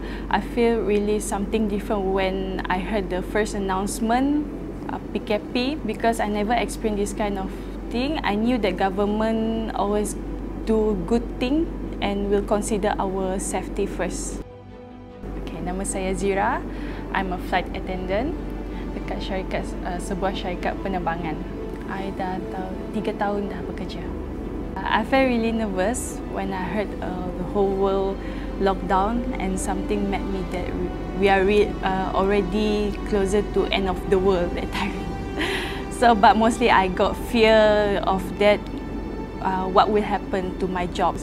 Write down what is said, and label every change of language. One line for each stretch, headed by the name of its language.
English: I feel really something different when I heard the first announcement PKP, because I never experienced this kind of thing. I knew that government always do good thing and will consider our safety first.
Malay: Okay, nama saya Zira.
English: I'm a flight attendant
Malay: dekat syarikat sebuah syarikat penerbangan. I dah 3 tahun dah bekerja.
English: I felt really nervous when I heard the whole world lockdown and something made me that we are already closer to end of the world that time. So, but mostly I got fear of that, what will happen to my job.